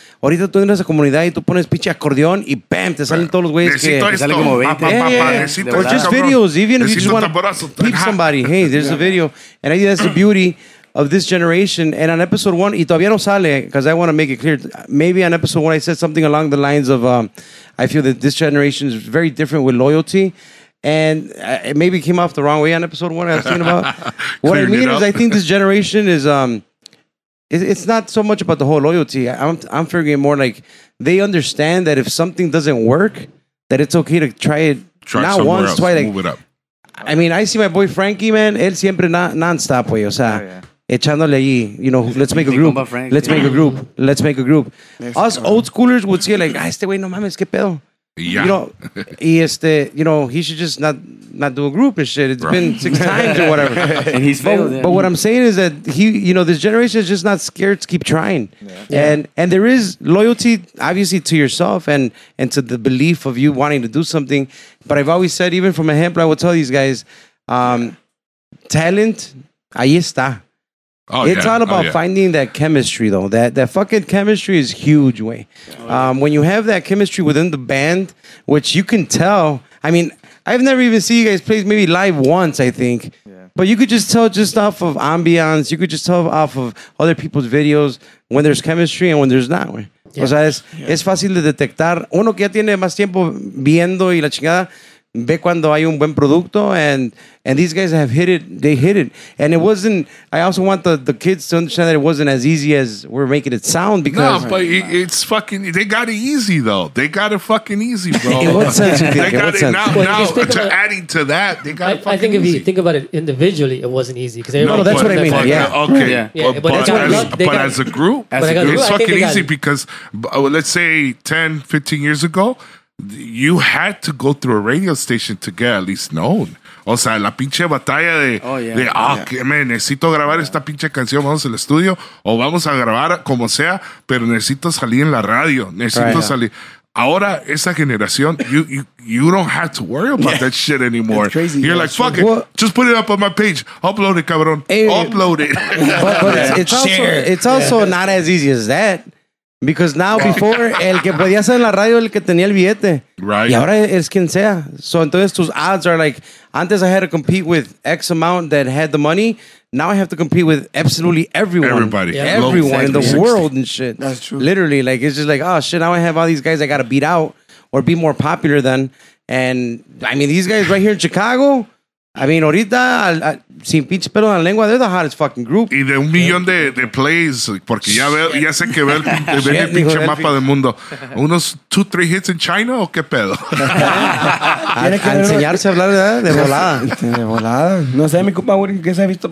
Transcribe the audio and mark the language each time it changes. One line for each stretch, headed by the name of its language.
Spanish: Ahorita tú entras a comunidad y tú pones pinche acordeón y ¡bam! Te salen todos los güeyes que salen como 20. Necesito
English: just videos. Even if you just want to peep somebody. Hey, there's a video. And I think that's the beauty of this generation. And on episode one, y todavía no sale, because I want to make it clear. Maybe on episode one, I said something along the lines of, I feel that this generation is very different with loyalty. And it maybe came off the wrong way on episode one. I was thinking about what I mean is I think this generation is... It's not so much about the whole loyalty. I'm figuring more like they understand that if something doesn't work, that it's okay to try it. Try not somewhere once, else. Twice. Move it up. I mean, I see my boy Frankie, man.
Spanish: Él siempre non-stop, güey. O sea,
English: oh, yeah.
Spanish: Echándole allí.
English: You know, let's make a group. Let's make a group. Let's make a group. Us old schoolers would see it like,
Spanish: este güey, no mames, qué pedo.
English: Yeah. You know, you know, he should just not do a group and shit. It's been six times or whatever. And he's failed. But what I'm saying is that he, you know, this generation is just not scared to keep trying. Yeah. And there is loyalty, obviously, to yourself and to the belief of you wanting to do something. But I've always said, even from a hemp, I would tell these guys, talent,
Spanish: ahí está.
English: Oh, it's yeah. all about oh, yeah. finding that chemistry, though. That fucking chemistry is huge, way. When you have that chemistry within the band, which you can tell. I mean, I've never even seen you guys play maybe live once, I think. Yeah. But you could just tell just off of ambiance. You could just tell off of other people's videos when there's chemistry and when there's not, way.
Spanish: Yeah. O sea, es fácil de detectar. Uno que ya tiene más tiempo viendo y la chingada. Ve cuando hay un buen producto
English: and these guys have hit it, they hit it. And it wasn't, I also want the kids to understand that it wasn't as easy as we're making it sound because... No, but it's fucking, they got it easy though. They got it fucking easy, bro. In what sense? Adding to that, they got it fucking easy. I think if you think about it individually, it wasn't easy. No, that's what I mean. Yeah. Okay. Yeah. But as a group, it's fucking easy because let's say 10, 15 years ago, you had to go through a radio station to get at least known.
Spanish: O sea, la pinche batalla necesito grabar esta pinche canción, vamos al estudio, o vamos a grabar como sea, pero necesito salir en la radio, necesito salir. Ahora, esa generación,
English: you don't have to worry about that shit anymore. That's crazy. You're like, fuck it. What? Just put it up on my page. Upload it, cabrón. Upload it. But it's also not as easy as that.
Spanish: Because now, before, el que podía hacer en la radio el que tenía el billete.
English: Right.
Spanish: Y ahora es quien sea. So, entonces, tus
English: odds are like, antes I had to compete with X amount that had the money. Now I have to compete with absolutely everyone. Everybody. Yeah. Everyone in the world and shit. That's true. Literally, like, it's just like, oh, shit, now I have all these guys I got to beat out or be more popular than. And, I mean, these guys right here in Chicago... I mean,
Spanish: ahorita, sin pinche pelo en la lengua,
English: they're the hottest fucking group.
Spanish: Y de un millón de plays, porque ya sé que ve el pinche mapa del mundo. ¿Unos 2-3 hits en China o qué pedo? A enseñarse a hablar de volada. De volada. No sé, mi compa, ¿qué se ha visto?